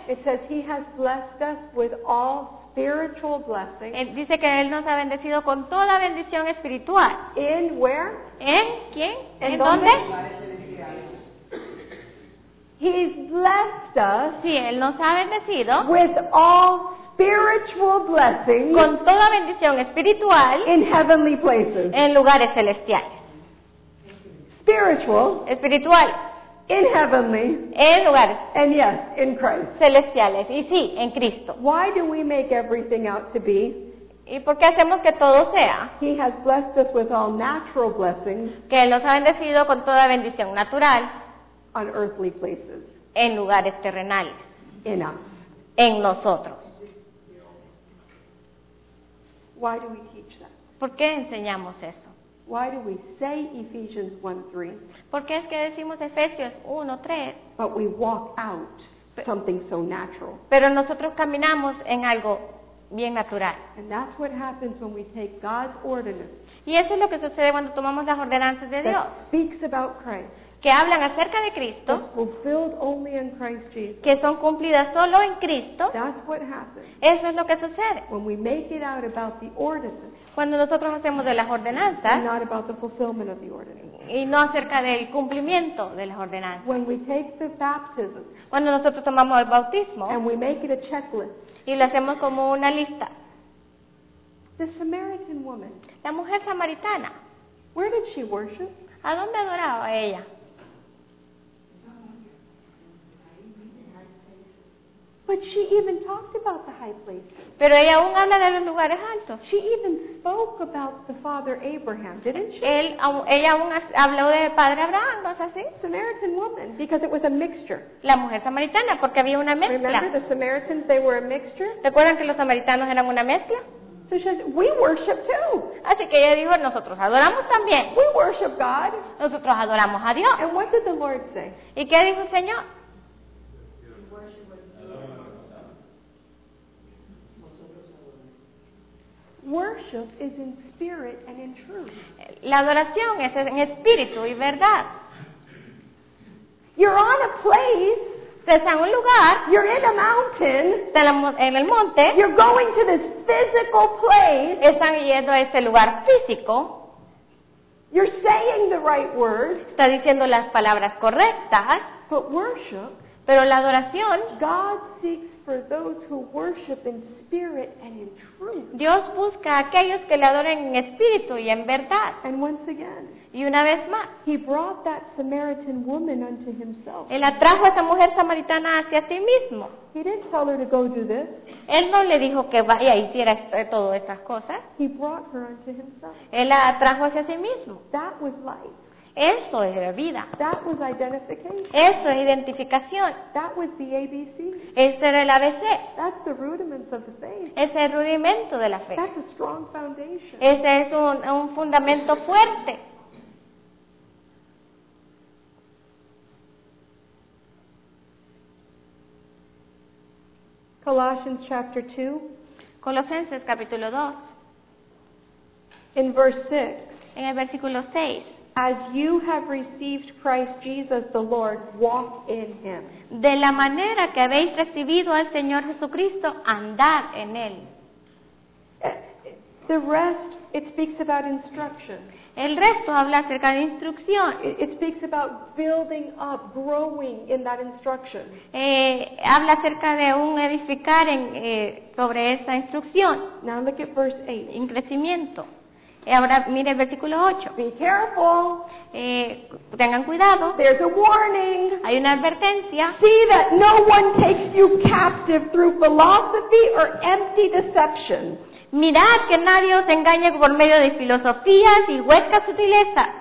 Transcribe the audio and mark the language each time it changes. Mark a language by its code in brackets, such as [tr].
[en] it says he has blessed us with all spiritual blessings. [es] Dice que él nos ha bendecido con toda bendición espiritual. [en] In where? [es] ¿En quién? ¿En dónde? [en] He's blessed us. [es] Sí, él nos ha bendecido. [en] With all spiritual blessings. [es] Con toda bendición espiritual. [en] In heavenly places. [es] En lugares celestiales. [en] Spiritual. [es] Espiritual. [en] In heavenly. [es] En lugares. [en] And yes, in Christ. [es] Celestiales. Y sí, en Cristo. [en] Why do we make everything out to be? [es] ¿Y por qué hacemos que todo sea? [en] He has blessed us with all natural blessings. [es] Que él nos ha bendecido con toda bendición natural. [en] On earthly places. [es] En lugares terrenales. [en] In us. [es] En nosotros. [en] Why do we teach that? [es] ¿Por qué enseñamos eso? [en] Why do we say Ephesians 1:3? [es] ¿Por qué es que decimos Efesios 1:3? [en] But we walk out something so natural. [es] Pero nosotros caminamos en algo bien natural. [en] And that's what happens when we take God's ordinance. [es] Y eso es lo que sucede cuando tomamos las ordenanzas de Dios. [en] That speaks about Christ. [es] Que hablan acerca de Cristo, [en] fulfilled only in Christ Jesus. [es] Que son cumplidas solo en Cristo. [en] That's what happens. [es] Eso es lo que sucede. [en] When we make it out about the ordinance, [es] cuando nosotros hacemos de las ordenanzas, [en] and not about the fulfillment of the ordinance. [es] Y no acerca del cumplimiento de las ordenanzas. [en] When we take the baptism, [es] cuando nosotros tomamos el bautismo, [en] and we make it a checklist, [es] y lo hacemos como una lista. [en] The Samaritan woman, [es] la mujer samaritana, [en] where did she worship? [es] ¿A dónde adoraba ella? [en] But she even talked about the high place. [es] Pero ella aún habla de los lugares altos. [en] She even spoke about the father Abraham, didn't she? [es] Ella aún habló de padre Abraham, ¿no es así? [en] Samaritan woman, because it was a mixture. [es] La mujer samaritana, porque había una mezcla. [en] Remember the Samaritans, they were a mixture? [es] ¿Recuerdan que los samaritanos eran una mezcla? [en] So she said, we worship too. [es] Así que ella dijo, nosotros adoramos también. [en] We worship God. [es] Nosotros adoramos a Dios. [en] And what did the Lord say? [es] ¿Y qué dijo el Señor? [en] Worship is in spirit and in truth. [es] La adoración es en espíritu y verdad. [en] You're on a place. [es] Estás en un lugar. [en] You're in a mountain. [es] Estás en el monte. [en] You're going to this physical place. [es] Están yendo a ese lugar físico. [en] You're saying the right words. [es] Estás diciendo las palabras correctas. [en] But worship. [es] Pero la adoración, [en] God seeks for those who worship in spirit and in truth. [es] Dios busca a aquellos que le adoren en espíritu y en verdad. [en] And once again, [es] y una vez más, [en] he brought that Samaritan woman unto himself. [es] Él atrajo a esa mujer samaritana hacia sí mismo. [en] He didn't tell her to go do this. [es] Él no le dijo que vaya y hiciera todas estas cosas. [en] He brought her unto himself. [es] Él la atrajo hacia sí mismo. [en] That was life. [es] Eso es la vida. [en] That was identification. [es] Eso es identificación. [en] That was the ABC. [es] Ese era el ABC. [en] That's the rudiments of the faith. [es] Ese es el rudimento de la fe. [en] That's a strong foundation. [es] Ese es un fundamento fuerte. [en] Colossians chapter 2. [es] Colosenses capítulo 2. [en] In verse 6. [es] En el versículo 6. [en] As you have received Christ Jesus the Lord, walk in him. [es] De la manera que habéis recibido al Señor Jesucristo, andad en él. [en] The rest, it speaks about instruction. [es] El resto habla acerca de instrucción. [en] It speaks about building up, growing in that instruction. [es] Habla acerca de un edificar en sobre esa instrucción. [en] Now look at verse 8. [es] En crecimiento. Ahora mire el versículo 8. [en] Be careful. [es] Tengan cuidado. [en] There's a warning. [es] Hay una advertencia. [en] See that no one takes you captive through philosophy or empty deception. [es] Mirad que nadie os engañe por medio de filosofías y huecas sutilezas.